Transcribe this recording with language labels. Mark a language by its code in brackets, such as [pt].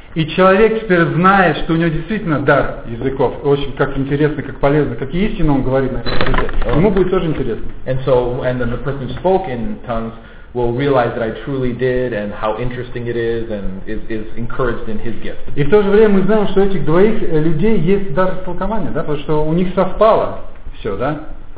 [ru] И человек теперь знает, что у него действительно дар языков. Очень как интересно, как полезно, как истинно он говорит на этом языке. Ему будет тоже интересно. [en] And so, and then the person who spoke in tongues will realize that I truly did and how interesting it is and is encouraged in his gift. [ru] И в то же время мы знаем, что у этих двоих людей есть дар истолкования, да, потому что у них совпало все, да?